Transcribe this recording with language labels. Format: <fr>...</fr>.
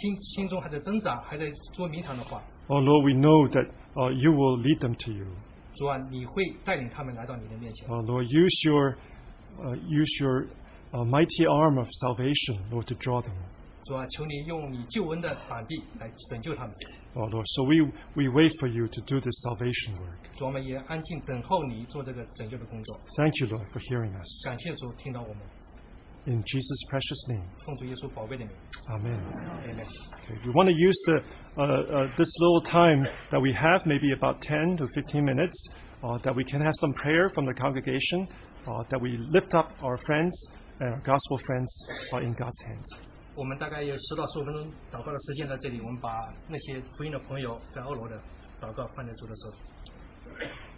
<zh>主要如果我们当中还有一些在心中还在挣扎，还在捉迷藏的话。</zh> <en>Oh Lord, we know that you will lead them to you.</en> <zh>主啊，你会带领他们来到你的面前。</zh> <en>Oh Lord, use your mighty arm of salvation, Lord, to draw them.</en> <zh>主啊，求你用你救恩的膀臂来拯救他们。</zh> <en>Oh Lord, so we wait for you to do this salvation work.</en> <zh>主啊，我们也安静等候你做这个拯救的工作。</zh> <en>Thank you, Lord, for hearing us.</en> <zh>感谢主听到我们。</zh> <en>In Jesus' precious name.</en> <zh>奉主耶稣宝贝的名。</zh> <en>Amen. Amen. Okay, we want to use this little time that we have, maybe about 10 to 15 minutes, that we can have some prayer from the congregation, that we lift up our friends, our gospel friends, in God's hands.</en> <zh>我们大概有10到15分钟祷告的时间在这里，我们把那些福音的朋友在欧罗的祷告放在主的手里。</zh>